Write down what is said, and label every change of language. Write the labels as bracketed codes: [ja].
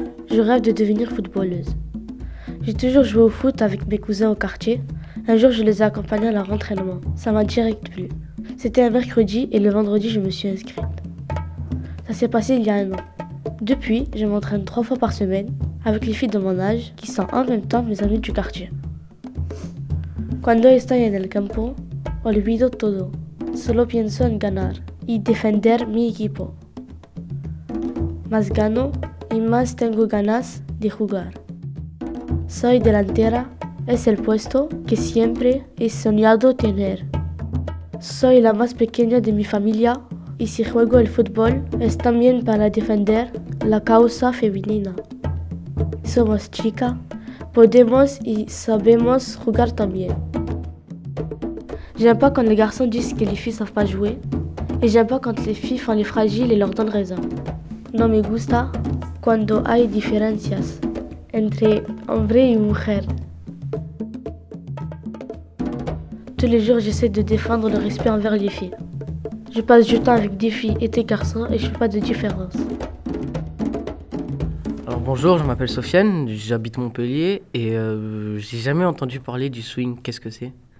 [fr] Je rêve de devenir footballeuse. J'ai toujours joué au foot avec mes cousins au quartier. Un jour, je les ai accompagnés à leur entraînement. Ça m'a direct plu. C'était un mercredi et le vendredi, je me suis inscrite. Ça s'est passé il y a un an. Depuis, je m'entraîne trois fois par semaine avec les filles de mon âge qui sont en même temps mes amies du quartier. [es] Cuando estoy en el campo, olvido todo. Solo pienso en ganar y defender mi equipo. Más gano y más tengo ganas de jugar. Soy delantera. Es el puesto que siempre he soñado tener. Soy la más pequeña de mi familia y si juego el fútbol es también para defender la causa femenina. Somos chicas, podemos y sabemos jugar también. [fr] J'aime pas quand les garçons disent que les filles savent pas jouer et j'aime pas quand les filles font les fragiles et leur donnent raison. [es] No me gusta cuando hay diferencias entre hombre y mujer. [fr] Tous les jours, j'essaie de défendre le respect envers les filles. Je passe du temps avec des filles et des garçons et je fais pas de différence. Alors bonjour, je m'appelle Sofiane, j'habite Montpellier et j'ai jamais entendu parler du swing, qu'est-ce que c'est?